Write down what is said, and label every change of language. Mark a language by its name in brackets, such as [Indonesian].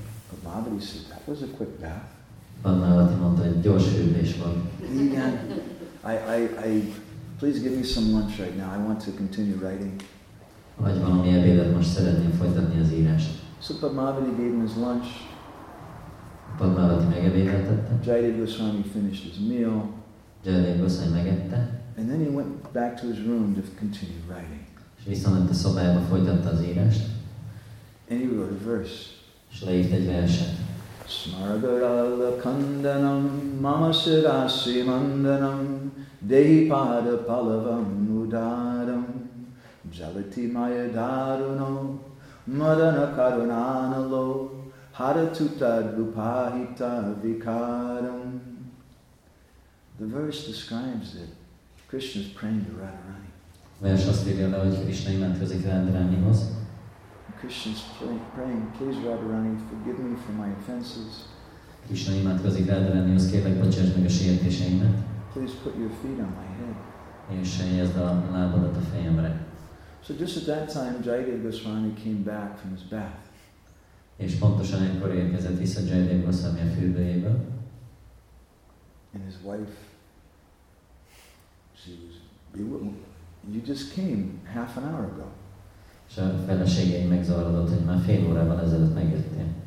[English] But Madhavi said, that was a quick bath. [Hungarian] Padmavati mondta, hogy gyors fürdés volt. Igen. [English] I, please give me some lunch right now. I want to continue writing. [Hungarian] Vagy valami ebédet, most szeretném folytatni az írást. [English] So Padmavati gave him his lunch. [Hungarian] Padmavati megebédeltette. [English] Jayadev Goswami finished his meal. [Hungarian] Jayadev Goswami megette. [English] And then he went back to his room to continue writing. [Hungarian] És visszament a szobájába, folytatta az írást. [English] And he wrote a verse. [Hungarian] És leírt egy verset. [Sanskrit] Smargarala kandanam mamasirasi mandanam deipada palavam mudaram jalati maya daruno madana karunanalo haratuta rupahita vikaram. [English] The verse describes that Krishna is praying to Radharani. [Hungarian] Vers azt írja le, hogy Krishna imádkozik Radharanihoz. [English] Krishna's praying, please Radharani, forgive me for my offenses. [Hungarian] Krishna imádkozik Radharani, azt kérlek, bocsáss meg a sértéseimet. [English] Please put your feet on my head. [Hungarian] És helyezd a lábadat a fejemre. [English] So just at that time, Jayadeva Goswami came back from his bath. [Hungarian] És pontosan ekkor érkezett vissza Jayadeva Goswami a fürdőjéből. [English] And his wife, she was, you just came half an hour ago. [Hungarian] És a feleségei megzavarodott, hogy már fél órával ezelőtt megjöttél.